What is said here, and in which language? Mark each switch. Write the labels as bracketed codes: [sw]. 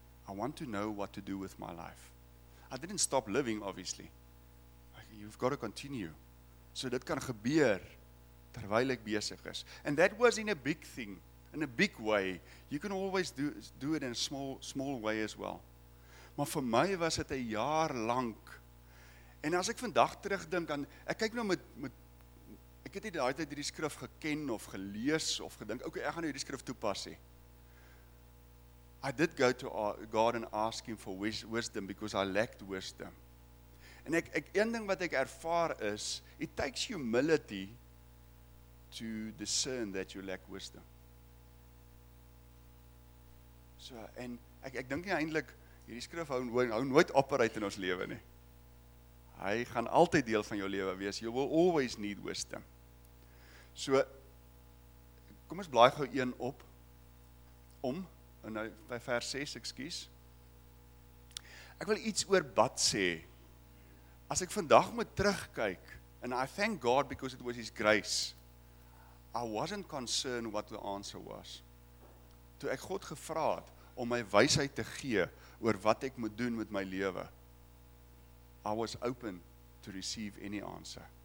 [en] I want to know what to do with my life. I didn't stop living, obviously. You've got to continue. [af] So dit kan gebeur terwyl ek besig is. [en] And that was in a big thing, in a big way. You can always do it in a small way as well. [af] Maar vir my was dit 'n jaar lank. En as ek vandag terugdink aan, ek kyk nou met ek het nie daai tyd hierdie skrif geken of gelees of gedink, okay, ek gaan nou hierdie skrif toepas hê. [en] I did go to God and ask him for wisdom because I lacked wisdom. [af] En ek een ding wat ek ervaar is, [en] it takes humility to discern that you lack wisdom. [af] So en ek dink nie eintlik hierdie skrif hou nooit operate in ons lewe nie. Hy gaan altyd deel van jou lewe wees. [en] You will always need wisdom. [af] So kom ons blaai gou een op om en nou by vers 6, ekskuus. Ek wil iets oor bad sê. As ek vandag moet terugkyk, [en] and I thank God because it was His grace, I wasn't concerned what the answer was. [af] Toe ek God gevra het om my wysheid te gee oor wat ek moet doen met my lewe, [en] I was open to receive any answer.